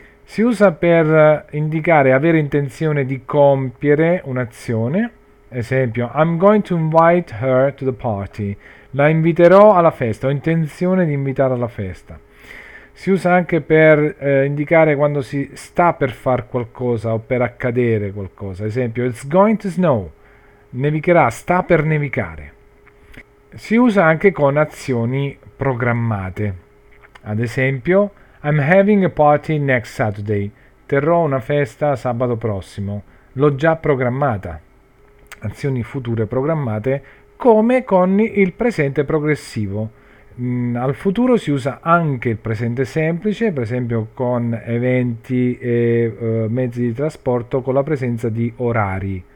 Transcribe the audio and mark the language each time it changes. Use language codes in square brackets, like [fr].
[it] Si usa per indicare, avere intenzione di compiere un'azione. Esempio, [en] I'm going to invite her to the party. [it] La inviterò alla festa, ho intenzione di invitarla alla festa. Si usa anche per indicare quando si sta per far qualcosa o per accadere qualcosa. Esempio, [en] it's going to snow. [it] Nevicherà, sta per nevicare. Si usa anche con azioni programmate. Ad esempio, [en] I'm having a party next Saturday. [it] Terrò una festa sabato prossimo. L'ho già programmata. Azioni future programmate, come con il presente progressivo. Al futuro si usa anche il presente semplice, per esempio con eventi e mezzi di trasporto con la presenza di orari.